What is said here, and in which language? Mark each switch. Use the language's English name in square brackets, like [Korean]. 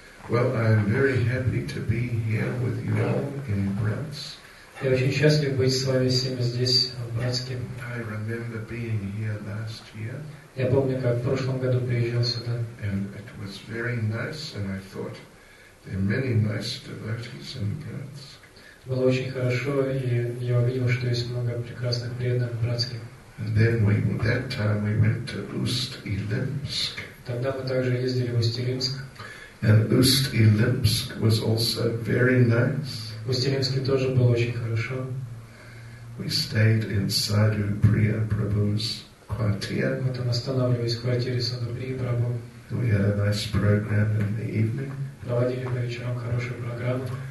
[English] Well, I am very happy to be here with you all in Bratsk. [Russian] Я очень счастлив быть с вами всеми здесь, в Братске. [English] I remember being here last year. [Russian] Я помню, как в прошлом году приезжал сюда. [English] And it was very nice, and I thought there are many nice devotees in Bratsk. [Russian] Было очень хорошо, и я увидел, что есть много прекрасных преданных в Братске. [English] And then that time we went to Усть-Илимск. [Russian] Тогда мы также ездили в Усть-Илимск. [English] And Усть-Илимск was also very nice. [Russian] Усть-Илимск тоже было очень хорошо. [English] We stayed in Sadhu Priya Prabhu's quartier. [Russian] Мы там останавливались в квартире Саду Прии Прабху. [English] We had a nice program in the evening. [Russian] Проводили по вечерам хорошую программу.